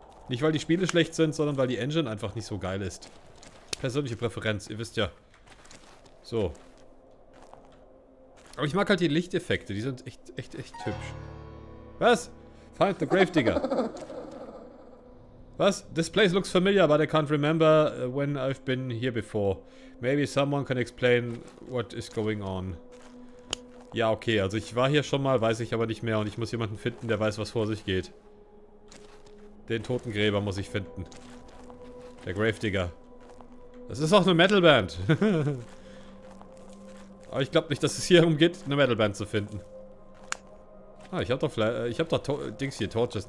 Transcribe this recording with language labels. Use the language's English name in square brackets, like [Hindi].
[German] Nicht, weil die Spiele schlecht sind, sondern weil die Engine einfach nicht so geil ist. Persönliche Präferenz, ihr wisst ja. So. Aber ich mag halt die Lichteffekte, die sind echt hübsch. Was? [English] Find the Gravedigger. Was? This place looks familiar, but I can't remember when I've been here before. Maybe someone can explain what is going on. [German] Ja, okay, also ich war hier schon mal, weiß ich aber nicht mehr. Und ich muss jemanden finden, der weiß, was vor sich geht. Den Totengräber muss ich finden. Der Gravedigger. Das ist auch eine Metalband. Aber ich glaube nicht, dass es hier darum geht, eine Metalband zu finden. Ah, ich habe doch vielleicht, Dings hier, Torches.